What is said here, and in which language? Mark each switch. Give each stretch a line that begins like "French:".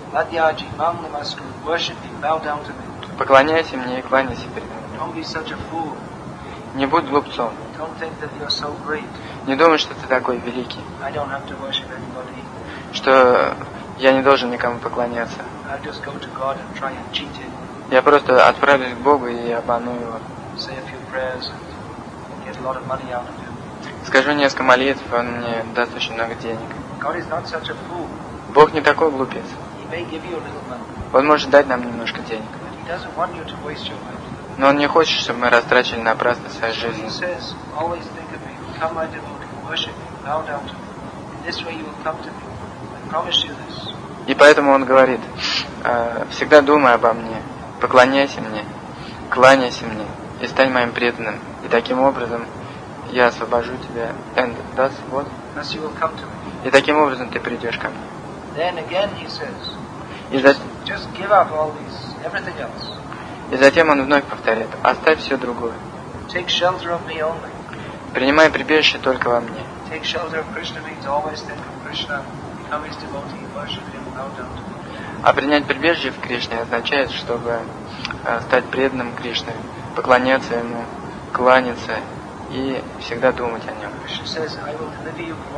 English: Adyaji, mama, namaskar, worship me, bow down to me.
Russian: Поклоняйся мне и кланяйся перед мной.
English: Don't be such a fool.
Russian: Не будь глупцом.
English: Don't think that you're so great.
Russian: Не думай, что ты такой великий.
English: I don't have to worship anybody.
Russian: Что я не должен никому поклоняться.
English: I'll just go to God and try and cheat him.
Russian: Я просто отправлюсь к Богу и обману его.
English: Say a few prayers and get a lot of money out of him.
Russian: Скажу несколько молитв, он мне даст очень много денег.
English: God is not such a fool.
Russian: Бог не такой глупец.
English: He may give you a little money.
Russian: Он может дать нам немножко денег.
English: But he doesn't want you to waste your money.
Russian: Но он не хочет, чтобы мы растрачивали напрасно свою жизнь.
English: He says, always think of me, become my devotee, worship me, bow down to me. In this way you will come to me. I promise you this.
Russian: И поэтому он говорит, всегда думай обо мне, поклоняйся мне, кланяйся мне и стань моим преданным. И таким образом я освобожу тебя.
English: And thus what? Thus you will come to me.
Russian: И таким образом ты придешь ко мне.
English: Then again he says, just give up all these, everything else.
Russian: И затем он вновь повторяет, оставь все другое.
English: Take shelter of me only.
Russian: Принимай прибежище только во мне.
English: Take shelter of Krishna means always think of Krishna, become his devotee, worship him, no doubt.
Russian: А принять прибежище в Кришне означает, чтобы стать преданным Кришне, поклоняться ему, кланяться и всегда думать о нем.